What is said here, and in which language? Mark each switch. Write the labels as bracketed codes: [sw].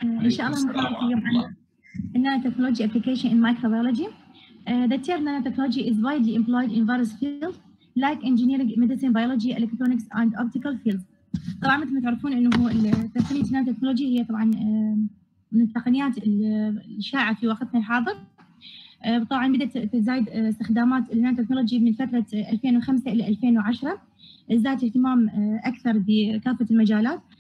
[ar] ان شاء الله نحكي اليوم عن النانوتكنولوجي ابلكيشن ان مايكروبيولوجي. [en] The term nanotechnology is widely employed in various fields like engineering, medicine, biology, electronics and optical fields. [ar] طبعا مثل ما تعرفون انه تقنية النانوتكنولوجي هي طبعا من التقنيات الشائعة في وقتنا الحاضر. طبعا بدأت تزايد استخدامات النانوتكنولوجي من فترة 2005 إلى 2010، زاد اهتمام أكثر بكافة المجالات.